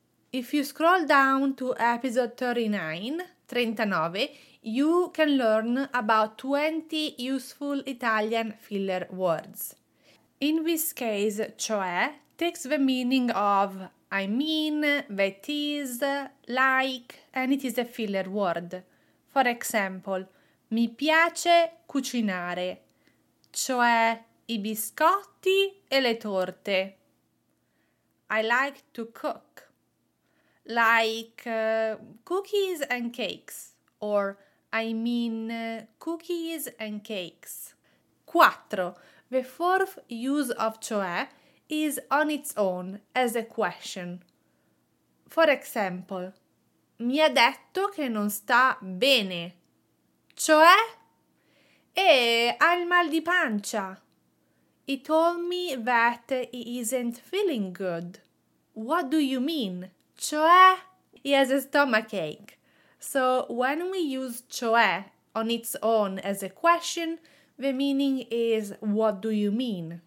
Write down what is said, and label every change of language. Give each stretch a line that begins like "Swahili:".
English: If you scroll down to episode 39, you can learn about 20 useful Italian filler words. In this case, cioè takes the meaning of I mean, that is, like, and it is a filler word. For example,
Italian: mi piace cucinare, cioè i biscotti e le torte.
English: I like to cook, like cookies and cakes, or I mean cookies and cakes. 4. The fourth use of cioè is on its own as a question. For example,
Italian: mi ha detto che non sta bene. Cioè? E ha il mal di pancia.
English: He told me that he isn't feeling good. What do you mean? Cioè? He has a stomachache. So when we use cioè on its own as a question, the meaning is what do you mean?